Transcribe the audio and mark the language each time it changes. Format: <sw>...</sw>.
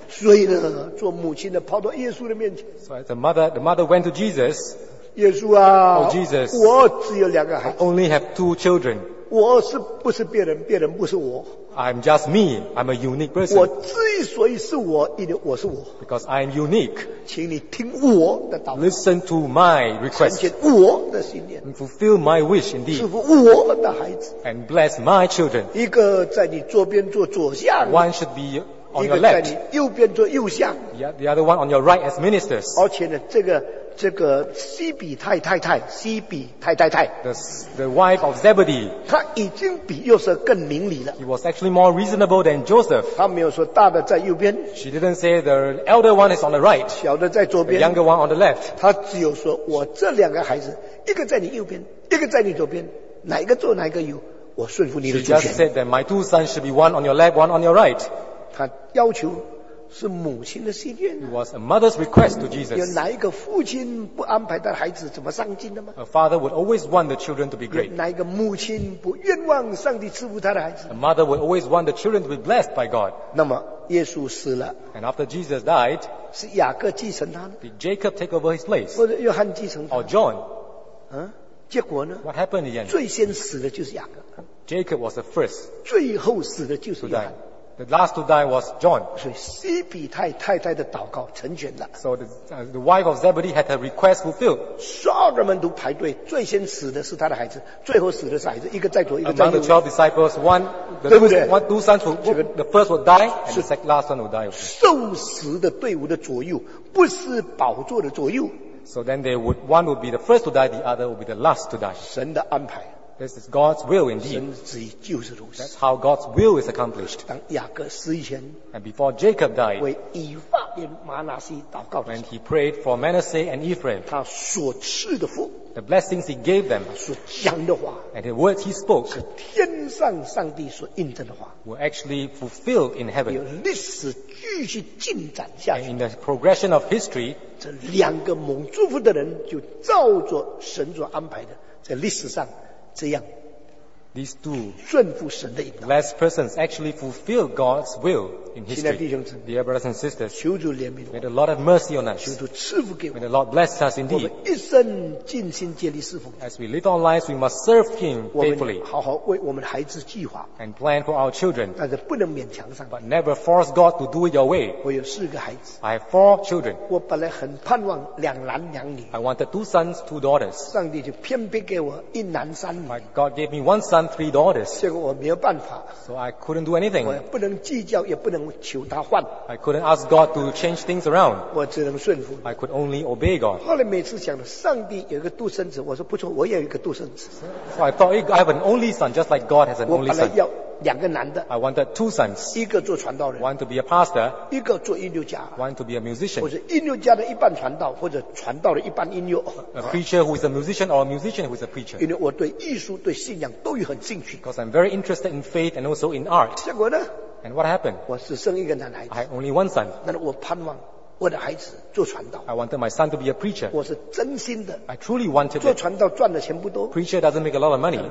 <zh>所以呢做母亲的跑到耶稣的面前。</zh> <en>So as a mother, the mother went to Jesus.</en> <zh>耶稣啊</zh> <en>oh, Jesus,</en> <zh>我只有两个孩子</zh> <en>I only have two children</en> <zh>我是不是别人，别人不是我。</zh> <en>I'm just me. I'm a unique person.</en> <zh>我之所以是我，因为我是我。</zh> <en>Because I'm unique.</en> <zh>请你听我的祷告。</zh> <en>Listen to my request.</en> <zh>成全我的心愿。</zh> <en>And fulfill my wish indeed.</en> <zh>祝福我的孩子。</zh> <en>And bless my children.</en> <zh>一个在你左边坐左相。</zh> <en>One should be on your left.</en> <zh>一个在你右边坐右相。</zh> <en>The other one on your right as ministers.</en> <zh>而且呢，这个西比太太太，西比太太太</zh> <en>the wife of Zebedee,</en> <zh>她已经比约瑟更明理了。</zh> <en>He was actually more reasonable than Joseph.</en> <zh>她没有说大的在右边。</zh> <en>She didn't say the elder one is on the right.</en> <zh>小的在左边。</zh> <en>The younger one on the left.</en> <zh>她只有说我这两个孩子，一个在你右边，一个在你左边，哪一个坐哪一个右，我顺服你的主权。</zh> <en>She just said that my two sons should be one on your left, one on your right.</en> <zh>她要求。是母亲的心愿。</zh> <en>It was a mother's request to Jesus.</en> <zh>有哪一个父亲不安排的孩子怎么上进的吗？</zh> <en>A father would always want the children to be great.</en> <zh>有哪一个母亲不愿望上帝赐福他的孩子？</zh> <en>A mother would always want the children to be blessed by God.</en> <zh>那么耶稣死了。</zh> <en>And after Jesus died,</en> <zh>是雅各继承他呢？</zh> <en>Did Jacob take over his place?</en> <zh>或者约翰继承他？</zh> <en>Or John?</en> <zh>啊？结果呢？</zh> <en>What happened again?</en> <zh>最先死的就是雅各。</zh> <en>Jacob was the first.</en> <zh>最后死的就是约翰。</zh> <en>The last to die was John.</en> <zh>所以西比太太太的祷告成全了。</zh> <en>So the wife of Zebedee had her request fulfilled.</en> <zh>所有人们都排队，最先死的是他的孩子，最后死的是孩子，一个在左，一个在右。</zh> <en>Among the 12 disciples, one, the</en> <zh>对不对？</zh> <en>One, two sons will, the first will die, and the second, last one will die.</en> <zh>受死的队伍的左右，不是宝座的左右。</zh> <en>So then they would, one would be the first to die, the other would be the last to die.</en> <zh>神的安排。</zh> <en>This is God's will indeed.</en> <zh>神旨意就是如此。</zh> <en>That's how God's will is accomplished.</en> <zh>当雅各死以前</zh> <en>and before Jacob died,</en> <zh>为以法莲玛拿西祷告</zh> <en>when he prayed for Manasseh and Ephraim,</en> <zh>他所赐的福</zh> <en>the blessings he gave them,</en> <zh>所讲的话</zh> <en>and the words he spoke,</en> <zh>是天上上帝所印证的话</zh> <en>were actually fulfilled in heaven.</en> <zh>有历史继续进展下去</zh> <en>and in the progression of history,</en> <zh>这两个蒙祝福的人就照着神所安排的在历史上这样</zh> <en>These two</en> <zh>顺服神的引导</zh> <en>last persons actually fulfill God's will in history.</en> <zh>亲爱的弟兄姊妹</zh> <en>Dear brothers and sisters,</en> <zh>求主怜悯我</zh> <en>May the Lord have mercy on us.</en> <zh>求主赐福给我</zh> <en>May the Lord bless us indeed.</en> <zh>我们一生尽心竭力侍奉</zh> <en>As we live our lives, we must serve Him faithfully.</en> <zh>我们好好为我们孩子计划</zh> <en>And plan for our children.</en> <zh>但是不能勉强上</zh> <en>But never force God to do it your way.</en> <zh>我有四个孩子</zh> <en>I have four children.</en> <zh>我本来很盼望两男两女</zh> <en>I wanted two sons, two daughters.</en> <zh>上帝就偏偏给我一男三女</zh> <en>My God gave me one son, three daughters.</en> <zh>结果我没有办法</zh> <en>So I couldn't do anything.</en> <zh>我不能计较，也不能求他换</zh> <en>I couldn't ask God to change things around.</en> <zh>我只能顺服</zh> <en>I could only obey God.</en> <zh>后来每次想着上帝有一个独生子，我说不错，我也有一个独生子</zh> <en>So I thought I have an only son, just like God has an only son.</en> <zh>我本来要两个男的</zh> <en>I wanted two sons.</en> <zh>一个做传道人</zh> <en>One to be a pastor.</en> <zh>一个做音乐家</zh> <en>One to be a musician.</en> <zh>或者音乐家的一半传道，或者传道的一半音乐</zh> <en>A preacher who is a musician or a musician who is a preacher.</en> <zh>因为我对艺术、对信仰都有很兴趣</zh> <en>Because I'm very interested in faith and also in art.</en> <zh>结果呢？</zh> <en>And what happened?</en> <zh>我只生一个男孩子。</zh> <en>I had only one son.</en> <zh>但是我盼望我的孩子做传道。</zh> <en>I wanted my son to be a preacher.</en> <zh>我是真心的。</zh> <en>I truly wanted.</en> <zh>做传道赚的钱不多。</zh> <en>Preacher doesn't make a lot of money.</en>